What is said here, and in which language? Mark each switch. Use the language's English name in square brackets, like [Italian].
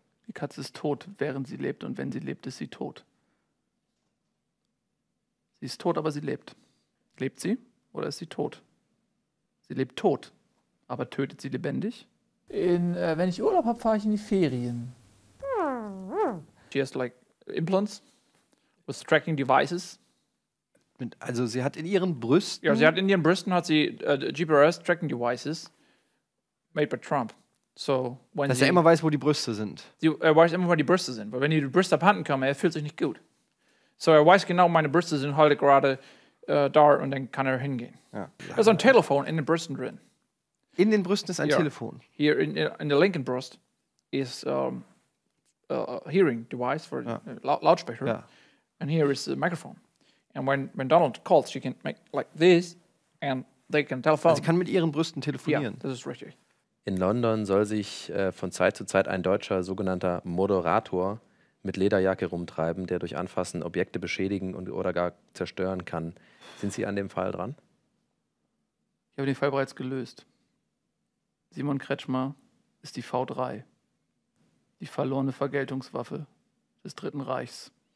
[German] Die Katze ist tot, während sie lebt, und wenn sie lebt, ist sie tot. Sie ist tot, aber sie lebt. Lebt sie oder ist sie tot? Sie lebt tot, aber tötet sie lebendig? Wenn ich Urlaub habe, fahre ich in die Ferien. [English] She has like implants with tracking devices. [German] Also sie hat in ihren Brüsten... Ja, sie hat in ihren Brüsten hat sie [English] GPS tracking devices made by Trump. [German] So, wenn dass er immer weiß, wo die Brüste sind. Er weiß immer, wo die Brüste sind. Weil wenn die Brüste abhanden kommen, er fühlt sich nicht gut. So, er weiß genau, meine Brüste sind heute gerade da und dann kann er hingehen. Ja. Da ist ein Telefon in den Brüsten drin. In den Brüsten ist ein Telefon? Hier in der linken Brust ist ein Hearing Device für Lautsprecher. Ja. Und hier ist ein Mikrofon. Und wenn [English] Donald calls, she can make like this and they can telephone. [German] Also sie kann mit ihren Brüsten telefonieren. Ja, das ist richtig. In London soll sich von Zeit zu Zeit ein deutscher sogenannter Moderator mit Lederjacke rumtreiben, der durch Anfassen Objekte beschädigen und oder gar zerstören kann. Sind Sie an dem Fall dran? Ich habe den Fall bereits gelöst. Simon Kretschmer ist die V3, die verlorene Vergeltungswaffe des Dritten Reichs.